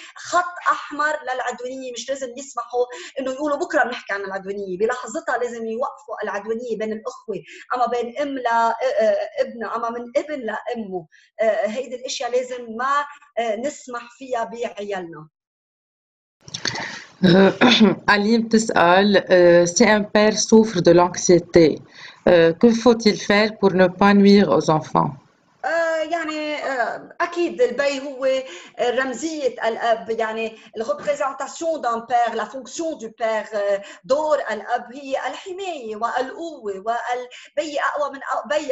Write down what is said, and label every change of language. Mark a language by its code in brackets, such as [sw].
[ar] خط احمر للعدوانيه، مش لازم يسمحوا انه يقولوا بكره بنحكي عن العدوانيه، بلحظتها لازم يوقفوا العدوانيه بين الاخوه، اما بين ام لابنه، اما من ابن لامه. هيدي الاشياء لازم ما نسمح فيها بعيالنا. [fr] Aline [ar] بتسأل [fr] si un père souffre de l'anxiété, que faut-il faire pour ne pas nuire aux enfants? [ar] يعني اكيد البي هو رمزيه الاب، يعني [fr] الريبريزونطاسيون دان بير، لا فونكسيون دو بير، [ar] دور الاب هي الحمايه والقوه، والبي اقوى من بيك.